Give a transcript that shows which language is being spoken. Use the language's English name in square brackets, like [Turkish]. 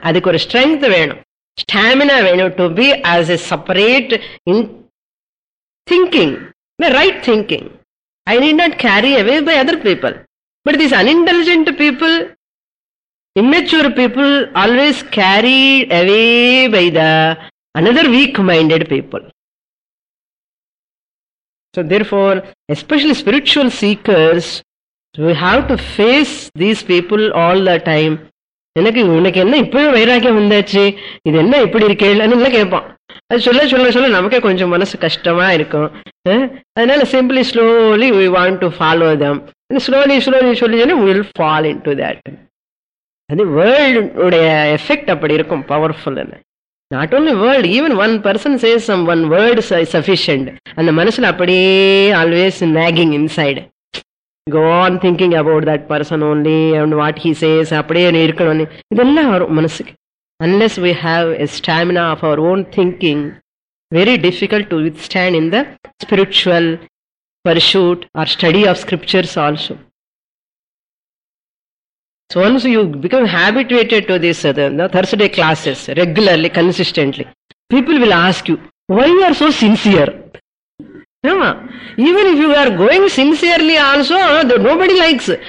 [Tamil] அதுக்கு ஒரு [English] strength [Tamil] வேணும், [English] Stamina வேணும், to be as a separate in thinking, right thinking. I need not carry away by other people, but these unintelligent people, immature people always carry away by the another weak minded people. So therefore, especially spiritual seekers, we have to face these people all the time. [Tamil] எனக்கு உனக்கு என்ன இப்பவே வைராக்கியம் வந்தாச்சு, இது என்ன இப்படி இருக்கேன்னு கேட்பான். அது சொல்ல சொல்ல சொல்ல நமக்கே கொஞ்சம் மனசு கஷ்டமா இருக்கும். அதனால [English] Simply slowly we want to follow them. And slowly, slowly, slowly, we will fall into that. [Tamil] அது வேர்ல்டுடைய எஃபெக்ட் அப்படி இருக்கும், [English] Powerful. Not only world, even one person says some one word sufficient, [Tamil] அந்த மனசில் அப்படியே [English] always nagging inside, go on thinking about that person only and what he says, [Tamil] அப்படியே இருக்கணும்னு இதெல்லாம் வரும் மனசுக்கு. [English] Unless we have a stamina of our own thinking, very difficult to withstand in the spiritual pursuit or study of scriptures also. So once you become habituated to this, the Thursday classes, regularly, consistently, people will ask you, why you are so sincere? Yeah. Even if you are going sincerely also, nobody likes.